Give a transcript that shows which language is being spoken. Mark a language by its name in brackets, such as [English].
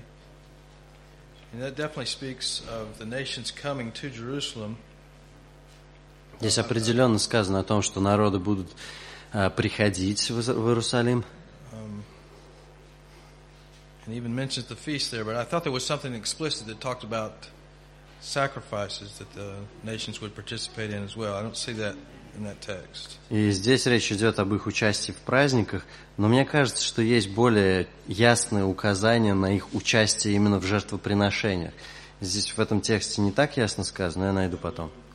[English] Okay. And that definitely speaks of the nations coming to Jerusalem. [Russian] Здесь определенно сказано о том, что народы будут приходить в Иерусалим. [English] And even mentions the feast there, but I thought there was something explicit that talked about sacrifices that the nations would participate in as well. I don't see that in that text. [Russian] И здесь речь идет об их участии в праздниках, но мне кажется, что есть более ясное указание на их участие именно в жертвоприношениях. Здесь в этом тексте не так ясно сказано, я найду потом.